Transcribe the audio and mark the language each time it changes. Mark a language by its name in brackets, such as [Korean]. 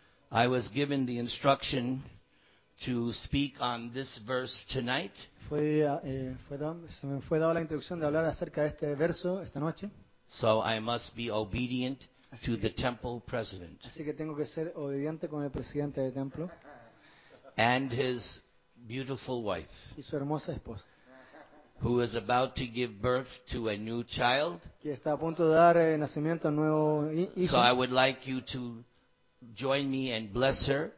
[English] I was given the instruction to speak on this verse tonight. [Spanish] Fue dado la instrucción de hablar acerca de este verso esta noche. [English] So I must be obedient to the temple president. [Spanish] Así que tengo que ser obediente con el presidente del templo. [English] And his beautiful wife. [Spanish] Y su hermosa esposa. [English] Who is about to give birth to a new child. [Spanish] Que está a punto de dar nacimiento a un nuevo hijo. [English] So I would like you to join me and bless her.